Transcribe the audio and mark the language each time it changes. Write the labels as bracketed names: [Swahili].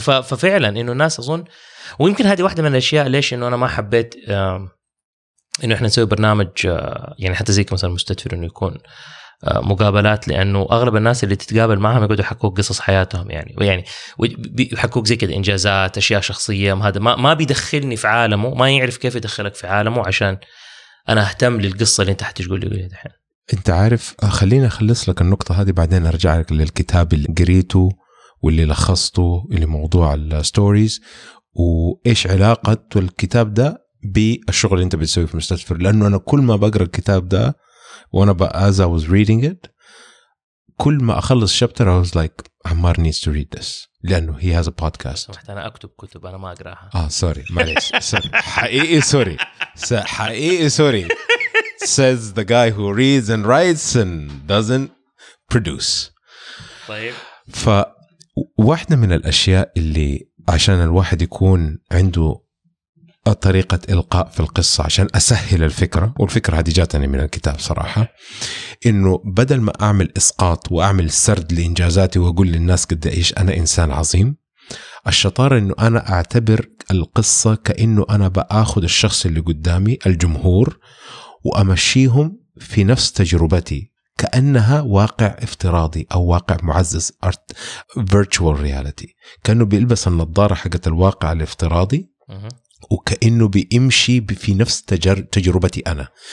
[Arabic] ففعلا إنه الناس أظن، ويمكن هذه واحدة من الأشياء ليش إنه أنا ما حبيت إنه إحنا نسوي برنامج يعني حتى زيك مثلا مستدفر إنه يكون مقابلات، لأنه أغلب الناس اللي تتقابل معهم يقعدوا يحكوك قصص حياتهم يعني، ويعني ويحكوك زي كده إنجازات أشياء شخصية، هذا ما بيدخلني في عالمه، ما يعرف كيف يدخلك في عالمه عشان أنا أهتم للقصة اللي أنت حتقول لي دحين. أنت عارف، خلينا أخلص لك النقطة هذه بعدين أرجع لك للكتاب اللي قريته واللي لخصته لموضوع الستوريز، وإيش علاقة الكتاب ده بالشغل اللي أنت بتسوي في مستشفى. لأنه أنا كل ما بقرأ الكتاب ده وأنا [English] as I was reading it، [Arabic] كل ما أخلص شابتر [English] I was like Ammar needs to read this، [Arabic] لأنه [English] he has a podcast. [Arabic] سمحت أنا أكتب كتب أنا ما أقرأها. سوري معليش، حقيقي سوري، حقيقي سوري. [English] says the guy who reads and writes and doesn't produce. [Arabic] طيب، فواحدة من الأشياء اللي عشان الواحد يكون عنده طريقة إلقاء في القصة عشان أسهل الفكرة، والفكرة هذه جاتني من الكتاب صراحة، إنه بدل ما أعمل إسقاط وأعمل سرد لإنجازاتي وأقول للناس قد إيش أنا إنسان عظيم، الشطارة إنه أنا أعتبر القصة كأنه أنا بأخذ الشخص اللي قدامي الجمهور وأمشيهم في نفس تجربتي كأنها واقع افتراضي أو واقع معزز art virtual reality، كأنه بيلبس النظارة حقت الواقع الافتراضي وكأنه بيمشي في نفس تجربتي أنا.